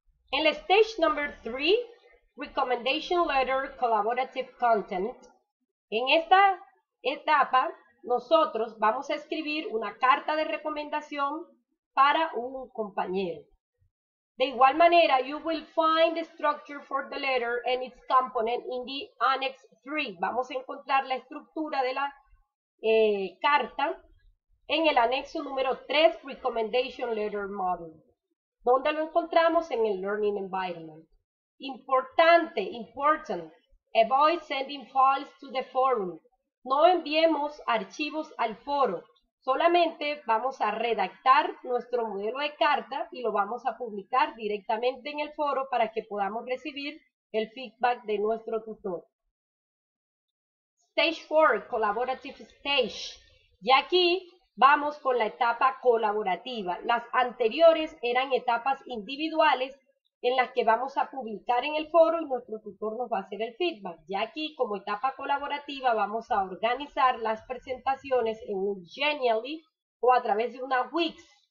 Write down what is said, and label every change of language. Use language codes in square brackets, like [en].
[es] En la Stage Number 3, Recommendation Letter Collaborative Content, en esta etapa, nosotros vamos a escribir una carta de recomendación para un compañero. De igual manera, [en] you will find the structure for the letter and its component in the Annex 3. [es] Vamos a encontrar la estructura de la carta en el anexo número 3, Recommendation Letter Module. ¿Dónde lo encontramos? En el [en] Learning Environment. [es] Importante, [en] important, avoid sending files to the forum. [es] No enviemos archivos al foro, solamente vamos a redactar nuestro modelo de carta y lo vamos a publicar directamente en el foro para que podamos recibir el feedback de nuestro tutor. [en] Stage 4, Collaborative Stage. [es] Y aquí vamos con la etapa colaborativa. Las anteriores eran etapas individuales en las que vamos a publicar en el foro y nuestro tutor nos va a hacer el feedback. Ya aquí, como etapa colaborativa, vamos a organizar las presentaciones en un Genially o a través de una Wix.